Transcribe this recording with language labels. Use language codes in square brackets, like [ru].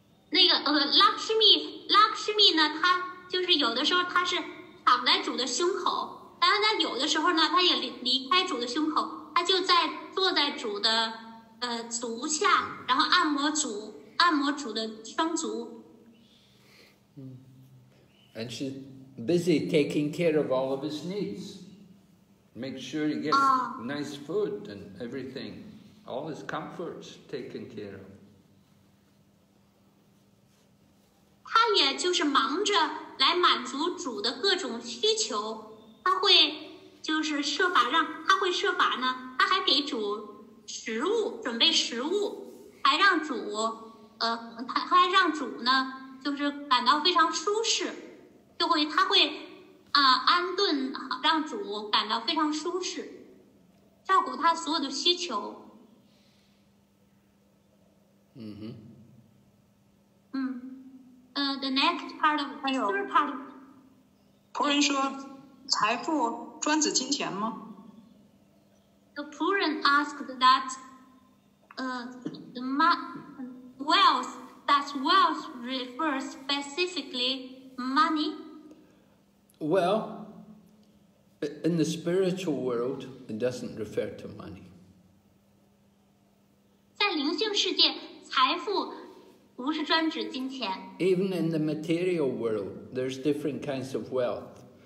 [zh] 那个Lakshmi 呢，他就是有的时候他是躺在主的胸口，当然有的时候呢他也离开主的胸口，他就在坐在主的足下，然后按摩主的双足。 [en] And she's busy taking care of all of his needs. Make sure he gets nice food and everything. All his comforts taken care of. [zh] 他也就是忙着来满足主的各种需求，他会就是设法让，他会设法呢，他还给主食物，准备食物，还让主他还让主呢就是感到非常舒适，就会他会安顿，让主感到非常舒适，照顾他所有的需求。 [en] The next part of the third part. [zh] 仆人说，财富专指金钱吗？ [en] The 仆人 asked that, the wealth, does wealth refer specifically money? Well, in the spiritual world, it doesn't refer to money. [zh] 在灵性世界，财富不是专指金钱。 [en] Even in the material world, there's different kinds of wealth.